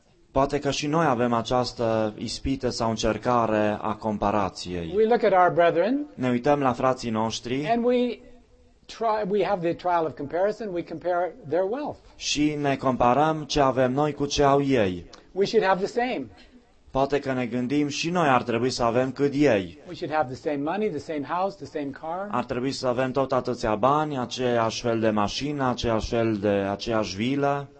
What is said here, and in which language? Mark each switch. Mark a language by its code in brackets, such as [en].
[ro] Poate că și noi avem această ispită sau încercare a comparației. [en] We look at our brethren. [ro] Ne uităm la frații noștri. [en] And we have the trial of comparison. We compare their wealth. [ro] Și ne comparăm ce avem noi cu ce au ei. [en] We should have the same. [ro] Poate că ne gândim și noi ar trebui să avem cât ei. [en] We should have the same money, the same house, the same car. [ro] Ar trebui să avem tot atâția bani, aceeași fel de mașină, aceeași fel de aceeași vilă.